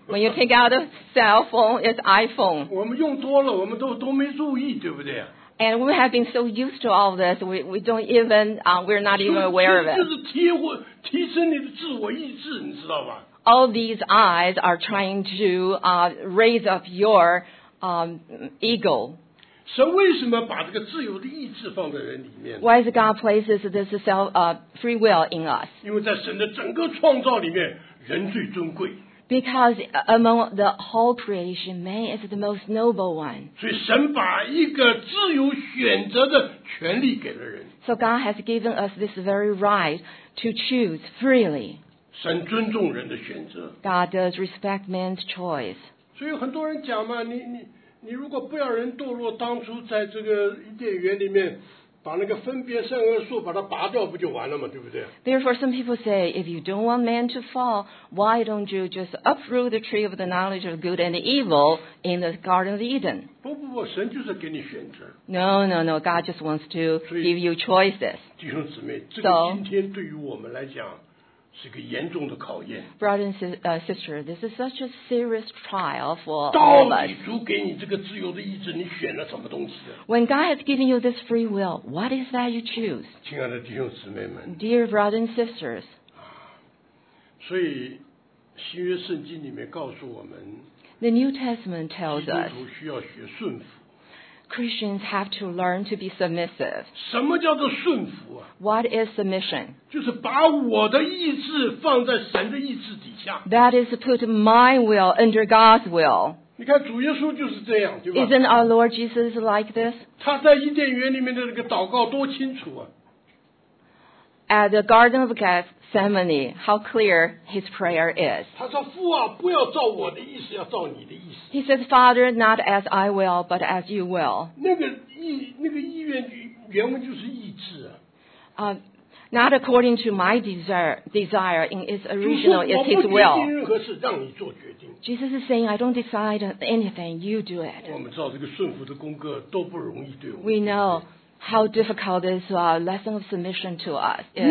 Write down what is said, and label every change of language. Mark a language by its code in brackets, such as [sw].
[en] When you take out a cell phone, it's iPhone. [zh] 我们用多了，我们都没注意，对不对？ [en] And we have been so used to all this, we don't even, we're not even aware of it. [zh] 就是提升你的自我意志，你知道吧？ [en] All these eyes are trying to raise up your ego. [zh] 神为什么把这个自由的意志放在人里面？ [en] Why is God places this self, free will in us? [zh] 因为在神的整个创造里面，人最尊贵。 [en] Because among the whole creation, man is the most noble one. [zh] 所以神把一个自由选择的权利给了人。 [en] So God has given us this very right to choose freely. [zh] 神尊重人的选择。 [en] God does respect man's choice. [zh] 所以很多人讲嘛，你如果不要人堕落，当初在这个伊甸园里面，把那个分别善恶树把它拔掉不就完了嘛，对不对？ [en] Therefore, some people say, if you don't want man to fall, why don't you just uproot the tree of the knowledge of good and evil in the Garden of Eden? [zh] 不不不，神就是给你选择。 [en] No, no, no. God just wants to give you choices. [zh] 弟兄姊妹，这个今天对于我们来讲是个严重的考验。 [en] Brother and sister, this is such a serious trial for all of us. [zh] 到底主给你这个自由的意志，你选了什么东西？ [en] When God has given you this free will, what is that you choose? [zh] 亲爱的弟兄姊妹们。 [en] Dear brothers and sisters. [zh] 所以新约圣经里面告诉我们。 [en] The New Testament tells us. [zh] 基督徒需要学顺服。 [en] Christians have to learn to be submissive. [zh] 什么叫做顺服啊？ [en] What is submission? [zh] 就是把我的意志放在神的意志底下。 [en] That is to put my will under God's will. [zh] 你看主耶稣就是这样，对吧？ [en] Isn't our Lord Jesus like this? [zh] 他在伊甸园里面的那个祷告多清楚啊。 [en] At the Garden of Gethsemane, how clear his prayer is. [zh] 他说父啊，不要照我的意思，要照你的意思。 [en] He says, Father, not as I will, but as you will. [zh] 那个意愿原文就是意志啊。 [en] Not according to my desire in its original, it's his will. [zh] 我不决定任何事，让你做决定。 [en] Jesus is saying, I don't decide anything, you do it. [zh] 我们知道这个顺服的功课多不容易，对我们。 [en] We know. How difficult is our lesson of submission to us?